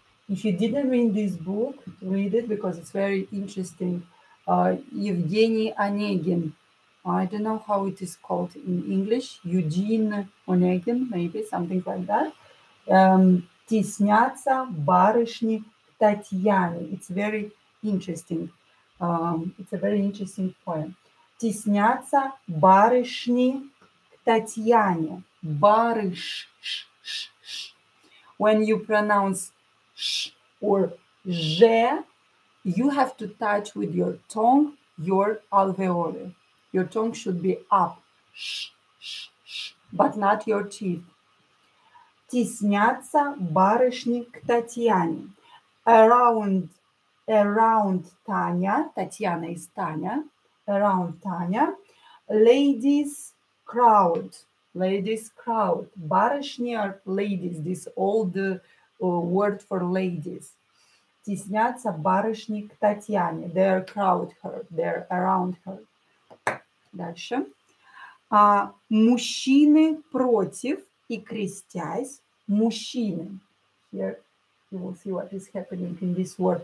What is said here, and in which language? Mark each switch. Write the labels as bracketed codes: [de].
[en] If you didn't read this book, read it because it's very interesting. [ru] Евгений Онегин. [en] I don't know how it is called in English. Eugene Onegin, maybe something like that. [ru] Теснятся барышни к Татьяне. [en] It's very interesting. It's a very interesting poem. [ru] Теснятся барышни к Татьяне. Барыш. [en] When you pronounce sh or же, you have to touch with your tongue your alveoli. Your tongue should be up. Sh, but not your teeth. [ru] Теснятся барышни к Татьяне. [en] Around Таня. [ru] Татьяна из Таня. [en] Around Таня. Ladies crowd. Барышни are ladies. This old word for ladies. Теснятся барышни к Татьяне. They are crowd her. They are around her. [ru] Дальше. Мужчины против и крестясь. Мужчины. [en] Here you will see what is happening in this word.